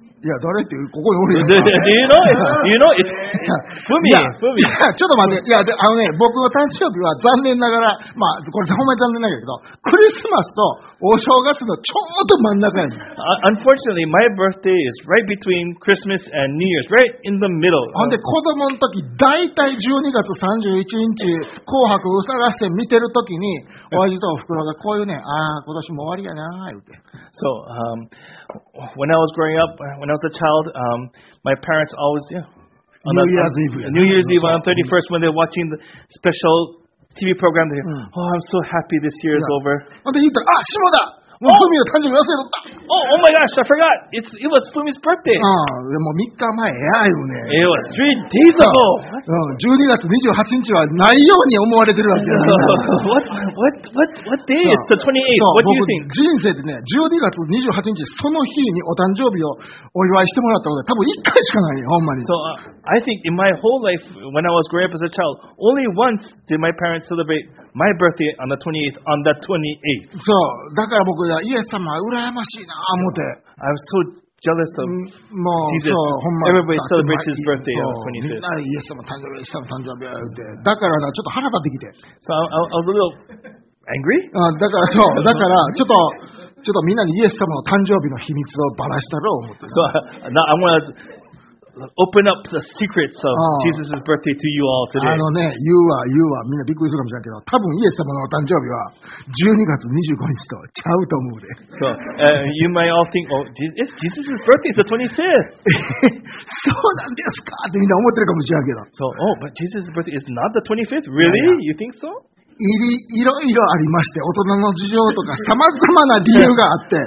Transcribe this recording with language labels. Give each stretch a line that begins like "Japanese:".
Japanese: いや、誰ってここにおるやん。
English: Do you know? Fumi.
Japanese: ちょっと待って。いや、僕の誕生日は残念ながら、まあ、これ、ほんまに残念だけど、クリスマスとお正月のちょうど真ん中やん。
English: Unfortunately, my birthday is right between Christmas and New Year's, right in the middle.
Japanese: ほんで、子供の時、だいたい12月31日、紅白うさがせ見てる時に、おやじとおふくろがこういうね、ああ、今年も終わりやなー、言うて。
English: So, when I was growing up, when I was a child, my parents always, New Year's Eve on 31st, when they're watching the special TV program, they go, I'm so happy this year is over. And then he said, ah, Shimoda! Oh my gosh, I forgot. It was Fumi's birthday.
Japanese: でも3日前やよね。
English: It was 3 days ago.
Japanese: 12月28日はないように思われてるわけ。
English: What day is the 28th? What do you think?
Japanese: 人生でね、12月28日、その日にお誕生日をお祝いしてもらったことは多分1回しかないよ、ほんまに。
English: So, I think in my whole life, when I was growing up as a child, only once did my parents celebrate my birthday on the 28th, on that 28th.
Japanese: そう、だから僕はイエス様、羨ましいなぁ、思って。
English: I'm so jealous of Jesus. Everybody celebrates his birthday on the 25th.
Japanese: みんなイエス様誕生日、イエス様誕生日やって。だからな、ちょっと腹立ってきて。
English: So I was a little angry?
Japanese: だからそう、だからちょっとみんなにイエス様の誕生日の秘密をバラしたろう思って。
English: So now I'm going to open up the secrets of Jesus' birthday to you all today.
Japanese: あのね、言うわ、みんなびっくりするかもしれないけど、多分イエス様の誕生日は12月25日とちゃうと思うで。
English: So, you might all think, oh, Jesus' birthday is the 25th.
Japanese: そうなんですかってみんな思ってるかもしれないけど。
English: So, oh, but Jesus' birthday is not the 25th? Really? You think so?
Japanese: いろいろありまして、大人の事情とか、さまざまな理由があって。